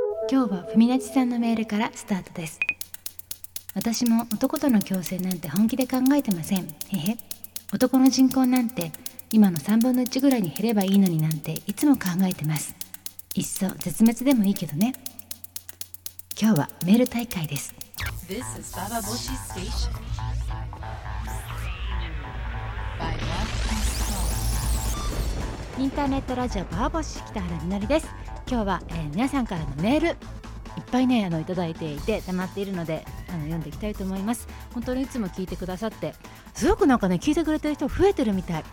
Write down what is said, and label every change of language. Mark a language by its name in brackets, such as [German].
[Japanese] 今日はふみなちさんのメールからスタートです。私も男との共生なんて本気で考えてません。へへ。男の人口なんて今の3分の1ぐらいに減ればいいのになんていつも考えてます。いっそ絶滅でもいいけどね。今日はメール大会です。 [English] This is Baba Boshi Station. [Japanese] インターネットラジオバーボシ北原みのりです。今日は、皆さんからのメールいっぱいねいただいていて溜まっているので読んでいきたいと思います。本当にいつも聞いてくださってすごくなんかね聞いてくれてる人増えてるみたい。